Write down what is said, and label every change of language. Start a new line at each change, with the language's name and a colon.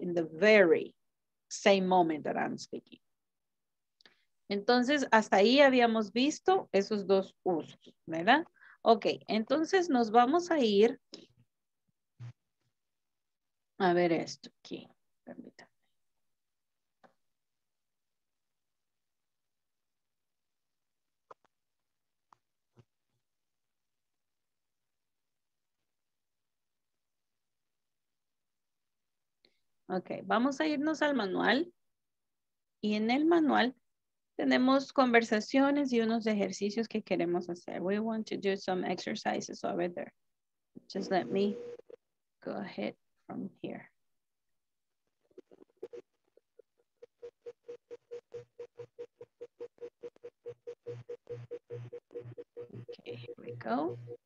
English: In the very same moment that I'm speaking.
Spanish: Entonces, hasta ahí habíamos visto esos dos usos, ¿verdad? Ok, entonces nos vamos a ir a ver esto aquí. Permítanme. Ok, vamos a irnos al manual. Y en el manual tenemos conversaciones y unos ejercicios que queremos hacer.
English: We want to do some exercises over there. Just let me go ahead from here. Okay, here we go.